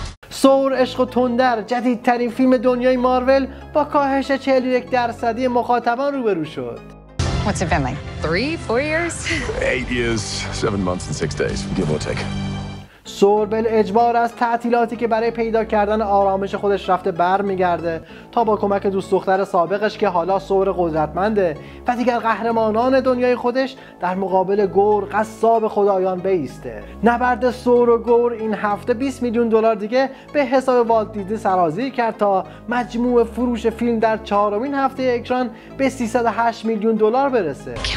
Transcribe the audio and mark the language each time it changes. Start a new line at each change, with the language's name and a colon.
Persian: سور عشق و تندر جدیدترین فیلم دنیای مارول با کاهش 41% مخاطبان روبرو شد.
English: What's it been like? 3-4 years? 8 years, 7 months and 6 days, give or take.
Persian: سور بل اجبار از تعطیلاتی که برای پیدا کردن آرامش خودش رفته بر میگرده تا با کمک دوست دختر سابقش که حالا سور قدرتمنده و دیگر قهرمانان دنیای خودش در مقابل گور قصاب خدایان بیسته. نبرد سور و گور این هفته 20 میلیون دلار دیگه به حساب والت دیزنی سرازیر کرد تا مجموع فروش فیلم در چهارمین هفته اکران به 308 میلیون دلار برسه.